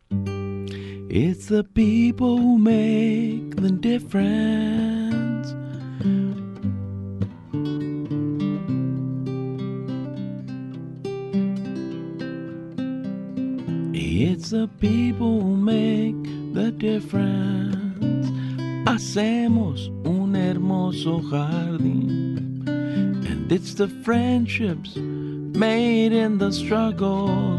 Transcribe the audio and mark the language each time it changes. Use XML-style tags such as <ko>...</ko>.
<en>It's the people who make the difference. It's the people who make the difference.</en> <es>Hacemos un hermoso jardín.</es> <en>And it's the friendships made in the struggle.</en>